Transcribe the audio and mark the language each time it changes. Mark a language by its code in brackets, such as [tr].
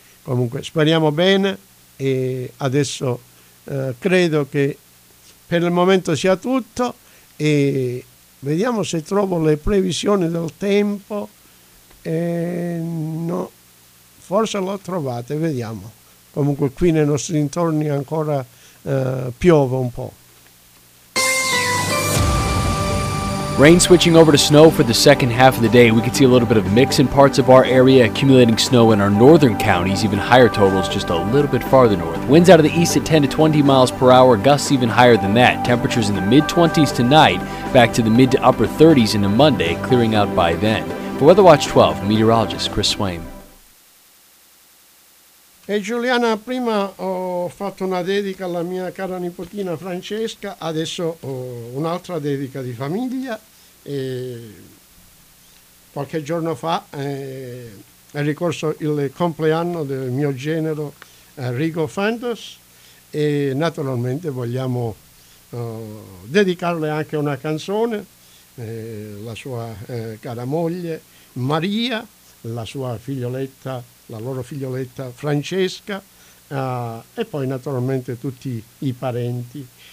[it] Comunque, speriamo bene e adesso credo che per il momento sia tutto e vediamo se trovo le previsioni del tempo. No, forse l'ho trovate, vediamo. Comunque qui nei nostri dintorni ancora piove un po'. [en] Rain switching over to snow for the second half of the day. We could see a little bit of mix in parts of our area, accumulating snow in our northern counties, even higher totals just a little bit farther north. Winds out of the east at 10 to 20 miles per hour, gusts even higher than that. Temperatures in the mid-20s tonight, back to the mid to upper 30s into Monday, clearing out by then. For WeatherWatch 12, meteorologist Chris Swain. [it] E Giuliana, prima ho fatto una dedica alla mia cara nipotina Francesca, adesso ho un'altra dedica di famiglia. E qualche giorno fa è ricorso il compleanno del mio genero Rigo Fantos e naturalmente vogliamo dedicarle anche una canzone, la sua cara moglie Maria, la sua figlioletta, la loro figlioletta Francesca e poi naturalmente tutti i parenti.